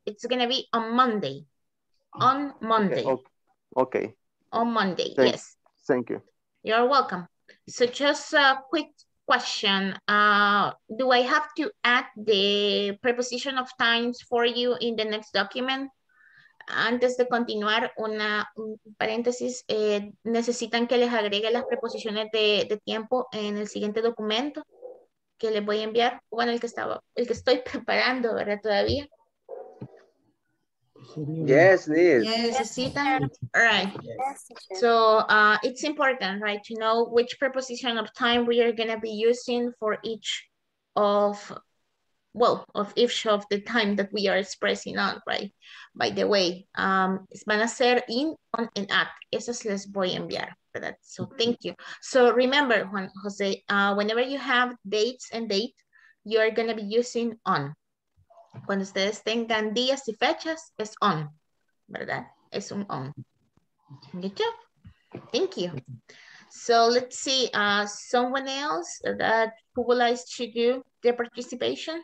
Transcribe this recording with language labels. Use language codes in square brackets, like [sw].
[en] It's going to be on Monday. On Monday. Okay. On Monday, yes. Thank you. You're welcome. So just a quick question. Do I have to add the preposition of times for you in the next document? [es] Antes de continuar, una paréntesis, ¿necesitan que les agregue las preposiciones de tiempo en el siguiente documento que les voy a enviar? Bueno, el que estoy preparando, ¿verdad? Todavía. [en] Yes, Liz. [es] ¿Necesitan? [en] All right. Yes, so, it's important, right, to know which preposition of time we are going to be using for each of, well, of each of the time that we are expressing on, right? By the way, [es] van a ser in, on, and at. Esos les voy a enviar [en] for that. So thank you. So remember, Juan Jose, whenever you have dates and date, you are going to be using on. [es] Cuando ustedes tengan días y fechas, es on, ¿verdad? Es un on. [en] Good job. Thank you. So let's see, someone else that who would like to do their participation.